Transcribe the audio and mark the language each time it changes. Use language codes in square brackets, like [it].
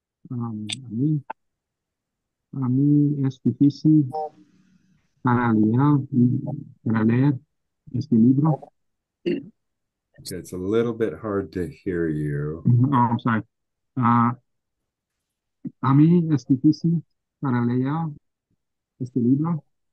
[es] A mí es difícil para leer este libro. [en] Okay, it's a little bit hard to hear you. I'm sorry. [es] A mí es difícil para leer este libro.